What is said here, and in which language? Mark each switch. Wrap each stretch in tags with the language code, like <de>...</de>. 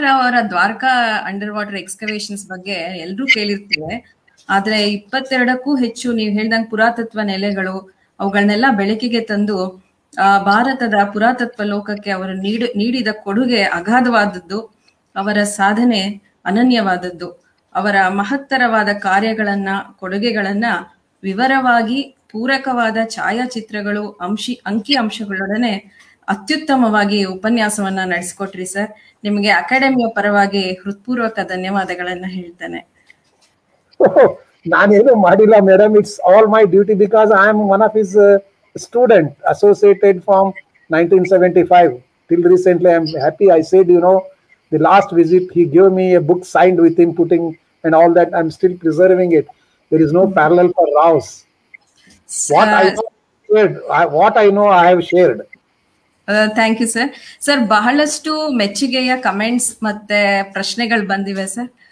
<kn>Rao avara Dwarka underwater excavations bagge ellaru kelirthive, aadre 22kku hechu neevu heldang puratattva nelegalu avugalnella belakige tandu ಭಾರತದ ಪುರಾತತ್ವ ಲೋಕಕ್ಕೆ ಅವರು ನೀಡಿದ ಕೊಡುಗೆ ಅಗಾಧವಾದದ್ದು. ಅವರ ಸಾಧನೆ ಅನನ್ಯವಾದದ್ದು. ಅವರ ಮಹತ್ತರವಾದ ಕಾರ್ಯಗಳನ್ನ, ಕೊಡುಗೆಗಳನ್ನ ವಿವರವಾಗಿ ಪೂರಕವಾದ ಛಾಯಾಚಿತ್ರಗಳು ಅಂಕಿ ಅಂಶಗಳೊಡನೆ ಅತ್ಯುತ್ತಮವಾಗಿ ಉಪನ್ಯಾಸವನ್ನ ನಡೆಸಿಕೊಟ್ರಿ ಸರ್. ನಿಮಗೆ ಅಕಾಡೆಮಿಯ ಪರವಾಗಿ ಹೃತ್ಪೂರ್ವಕ ಧನ್ಯವಾದಗಳನ್ನ ಹೇಳ್ತೇನೆ. ನಾನೇನು ಮಾಡಿಲ್ಲ</kn> <en>Madam, it's all my duty because I am one of his student associated from 1975. till recently I'm happy. I said, you know, the last visit he gave me a book signed with him putting and all that. I'm still preserving it. There is no parallel for Rao's. What I know, I have shared. Thank you, sir.</en> <kn>Sir, ಬಹಳಷ್ಟು ಮೆಚ್ಚುಗೆಯ comments ಮತ್ತೆ ಪ್ರಶ್ನೆಗಳು ಬಂದಿವೆ sir.</kn>